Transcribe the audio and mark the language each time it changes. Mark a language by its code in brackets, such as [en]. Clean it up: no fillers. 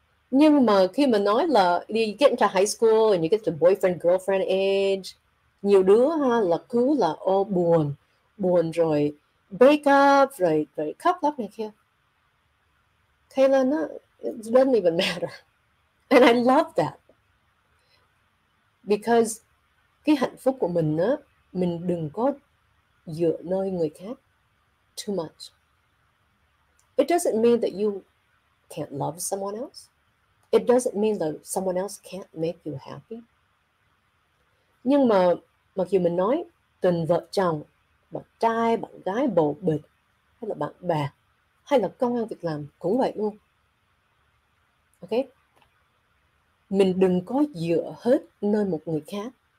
[vi] Nhưng mà khi mà nói là [en] you get into high school and you get to boyfriend, girlfriend age, [vi] nhiều đứa ha, là cứ là buồn rồi, [en] break up, [vi] rồi khóc lóc này kia. [en] Kayla, it doesn't even matter. And I love that. [vi] Because cái hạnh phúc của mình á, mình đừng có dựa nơi người khác [en] too much. It doesn't mean that you can't love someone else. It doesn't mean that someone else can't make you happy. [vi] Nhưng mà mặc dù mình nói tình vợ chồng, bạn trai, bạn gái, bầu bịch, hay là bạn bè, hay là công ăn việc làm, cũng vậy luôn. Ok? Mình đừng có dựa hết nơi một người khác.